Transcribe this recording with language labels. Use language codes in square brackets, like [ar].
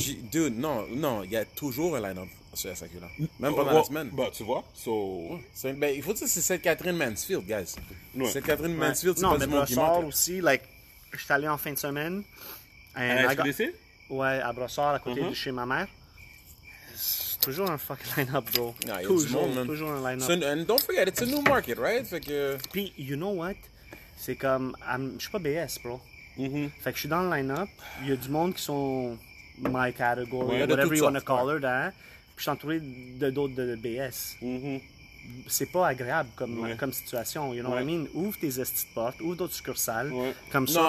[fr] Dude, non, il y a toujours un line-up sur SAQ là. Même pendant la semaine. Ben, tu vois, so. Ouais. Ben, il faut dire que c'est Sainte-Catherine-Mansfield, guys. Ouais. Sainte-Catherine-Mansfield, ouais. C'est non, pas du monde qui manque. Aussi, like, je suis allé en fin de semaine. À SQDC? Ouais, à Brossard, à côté de chez ma mère. Toujours un fucking line-up, bro. Yeah, toujours un line-up. [en] And don't forget, it's a new market, right? [fr] Puis, [en] you know what? [fr] C'est comme, je suis pas BS, bro. Fait que je suis dans le line-up. Il y a du monde qui sont [en] my category, [fr] ouais, [en] whatever you want to call it. [fr] Hein? Puis je suis entouré de d'autres de BS. C'est pas agréable comme situation, [en] you know what I mean? [fr] Ouvre tes estis de porte, ouvre d'autres succursales. Comme ça,